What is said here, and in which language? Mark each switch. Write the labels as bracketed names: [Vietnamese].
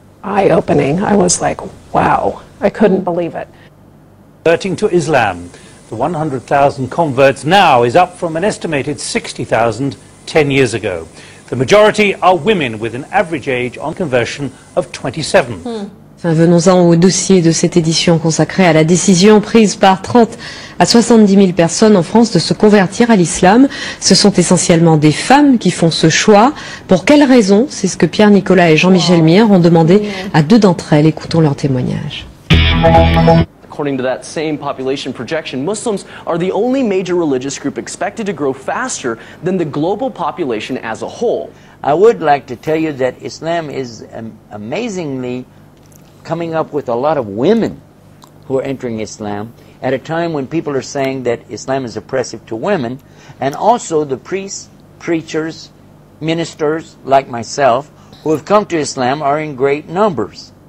[English] eye-opening. I was like, wow, I couldn't believe it. Converting to Islam, the 100,000 converts now is up from an estimated 60,000 10 years ago. The majority are women with an average age on conversion of 27. [French] Venons-en au dossier de cette édition consacrée à la décision prise par 30 à 70 000 personnes en France de se convertir à l'islam. Ce sont essentiellement des femmes qui font ce choix. Pour quelles raisons? C'est ce que Pierre-Nicolas et Jean-Michel Mire ont demandé à deux d'entre elles. Écoutons leur témoignage. [English] According to that same population projection, Muslims are the only major religious group expected to grow faster than the global population as a whole. I would like to tell you that Islam is amazingly coming up with a lot of women who are entering Islam at a time when people are saying that Islam is oppressive to women, and also the priests, preachers, ministers like myself who have come to Islam are in great numbers.